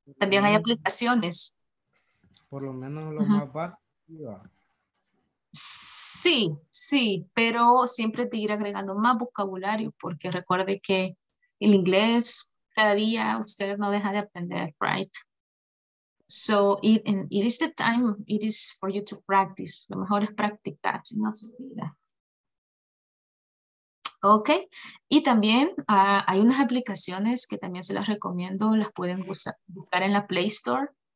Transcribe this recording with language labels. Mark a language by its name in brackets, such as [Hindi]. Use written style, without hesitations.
[Spanish] También hay aplicaciones. Por lo menos lo más básico. Sí, sí, pero siempre te ir agregando más vocabulario porque recuerde que el inglés cada día usted no deja de aprender, right? [English] So it is the time, it is for you to practice. [Spanish] Lo mejor es practicar, si no se olvida. Ok, y también hay unas aplicaciones que también se las recomiendo, las pueden buscar en la Play Store.